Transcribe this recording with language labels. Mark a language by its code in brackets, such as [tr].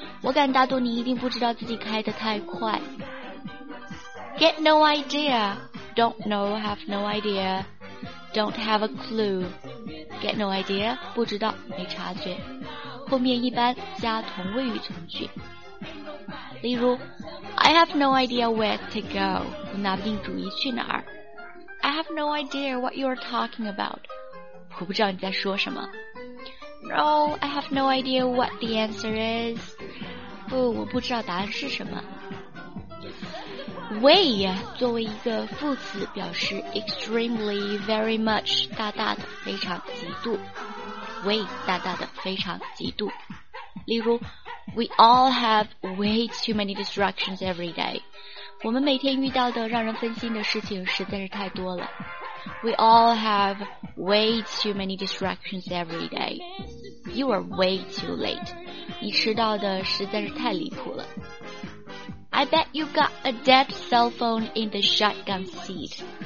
[zh] 我敢打赌你一定不知道自己开得太快。 [en] Get no idea. Don't know, have no idea. Don't have a clue. Get no idea, [zh] 不知道，没察觉。后面一般加同位语从句。例如 [en] I have no idea where to go. [zh] 我拿不定主意去哪儿。 [en] I have no idea what you're talking about. [zh] 我不知道你在说什么。 [en] No, I have no idea what the answer is. [zh] 不，我不知道答案是什么。 Way 作为一个副词表示 [en] extremely, very much, [zh] 大大的、非常、极度。 [en] Way [zh] 大大的、非常、极度。例如 [en] We all have way too many distractions every day. [zh] 我们每天遇到的让人分心的事情实在是太多了。 [en] We all have way too many distractions every day. You are way too late. [zh] 你迟到的实在是太离谱了。 [en] I bet you got a dead cell phone in the shotgun seat.